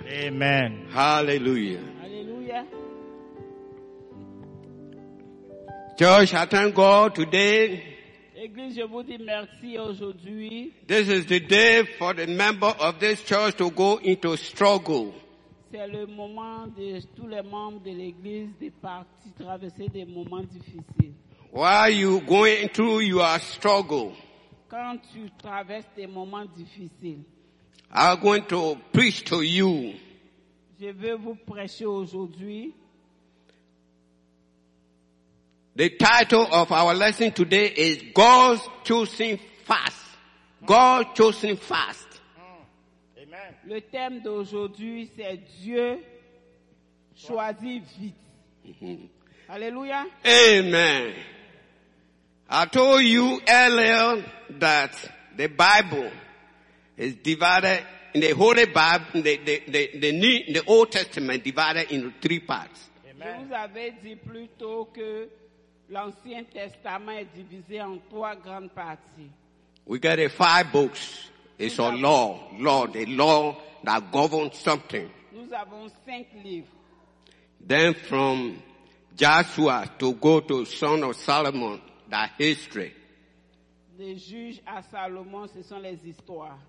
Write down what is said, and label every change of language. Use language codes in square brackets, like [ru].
[en] Amen. Hallelujah. Hallelujah. Church, I thank God today. [fr] Église, je vous dis merci aujourd'hui. [en] This is the day for the member of this church to go into struggle. [fr] C'est le moment de tous les membres de l'église de partir traverser des moments difficiles. [en] While you going through your struggle. [fr] Quand tu traverses des moments difficiles. [en] I'm going to preach to you. [fr] Je veux vous prêcher aujourd'hui. [en] The title of our lesson today is God's Chosen Fast. God's Chosen Fast. [fr] Amen. Le thème d'aujourd'hui c'est Dieu choisi vite. Alléluia. [en] Amen. I told you earlier that the Bible is divided in the Holy Bible, the Old Testament divided into three parts. Amen. [fr] Je vous avais dit plus tôt que l'Ancien Testament est divisé en trois grandes parties. [en] We got a five books. It's a law. Law, the law that governs something. [fr] Nous avons cinq livres. [en] Then from Joshua to go to Son of Solomon, that history. [fr] De juge à Salomon, ce sont les histoires.